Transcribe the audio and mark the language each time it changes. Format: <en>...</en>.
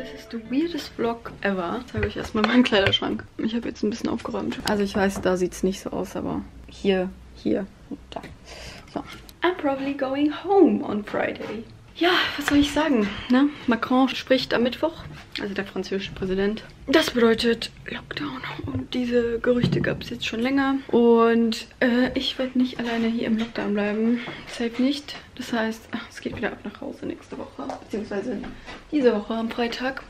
<en>The weirdest vlog ever.</en> <de>Jetzt zeige ich euch erstmal meinen Kleiderschrank. Ich habe jetzt ein bisschen aufgeräumt. Also ich weiß, da sieht es nicht so aus, aber hier, hier und da. So.</de> <en>I'm probably going home on Friday.</en> <de>Ja, was soll ich sagen, ne? Macron spricht am Mittwoch, also der französische Präsident. Das bedeutet Lockdown und diese Gerüchte gab es jetzt schon länger. Und ich werde nicht alleine hier im Lockdown bleiben, safe nicht. Das heißt, es geht wieder ab nach Hause nächste Woche, beziehungsweise diese Woche am Freitag.</de>